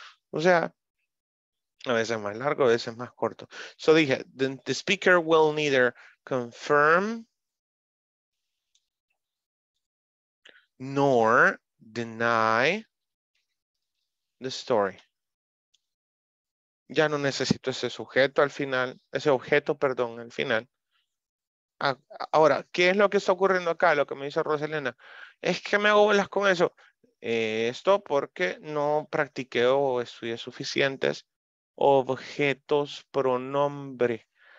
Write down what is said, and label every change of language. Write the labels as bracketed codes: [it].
[es] O sea, a veces más largo, a veces más corto. [en] So [es] dije, [en] the speaker will neither confirm nor deny the story. [es] Ya no necesito ese sujeto al final, ese objeto, perdón, al final. Ahora, ¿qué es lo que está ocurriendo acá? Lo que me dice Roselena. Es que me hago bolas con eso. Esto porque no practiqué o estudié suficientes objetos pronombre.